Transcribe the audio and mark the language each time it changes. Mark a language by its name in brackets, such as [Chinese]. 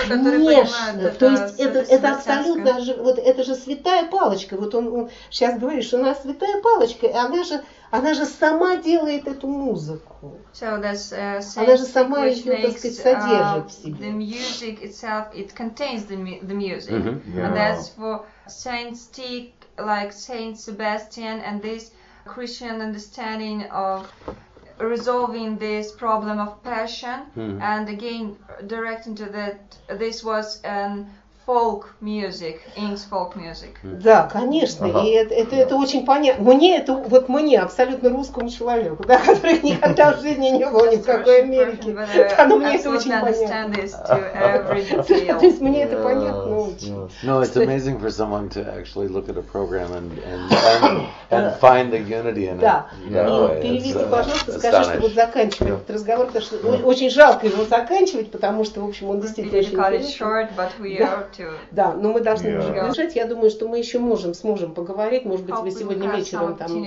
[Russian] Конечно. То есть это абсолютно же, вот это же святая палочка. Вот он сейчас говорит, что она святая палочка, и она же сама делает эту музыку. [English] So that's [Russian] она же сама ее, так сказать, содержит в себе. [English] The music itself, it contains the music. Mm-hmm. Yeah. And that's for Saint Stick, like Saint Sebastian, and this Christian understanding of resolving this problem of passion, and again directing to that this was a folk music, Ings folk music. [Russian] Да, конечно, и это очень понятно. Мне это, вот мне, абсолютно русскому человеку, да, который никогда в жизни не был ни в какой Америке, да, но мне это очень понятно. То есть мне это понятно очень. [English] No, it's amazing for someone to actually look at a program and find the unity in it. [Russian] Да, переведите, пожалуйста, скажи, что вот заканчиваем этот разговор, потому что очень жалко его заканчивать, потому что, в общем, он действительно очень интересный. Да, но мы должны продолжать. Я думаю, что мы еще сможем поговорить. Может быть, вы сегодня вечером там...